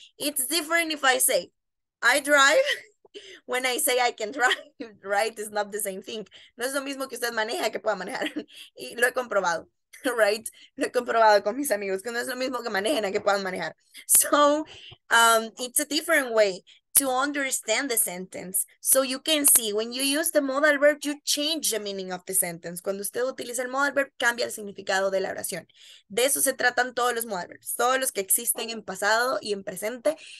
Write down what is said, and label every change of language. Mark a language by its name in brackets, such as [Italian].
[English] It's different if I say I drive when I say I can drive, right? It's not the same thing. [Spanish] No es lo mismo que usted maneja que pueda manejar. Y lo he comprobado, right? Lo he comprobado con mis amigos, que no es lo mismo que manejen a que puedan manejar. [English] So, it's a different way to understand the sentence. So you can see, when you use the modal verb, you change the meaning of the sentence. [Spanish] Cuando usted utiliza el modal verb, cambia el significado de la oración. De eso se tratan todos los modal verbs, todos los que existen en pasado y en presente.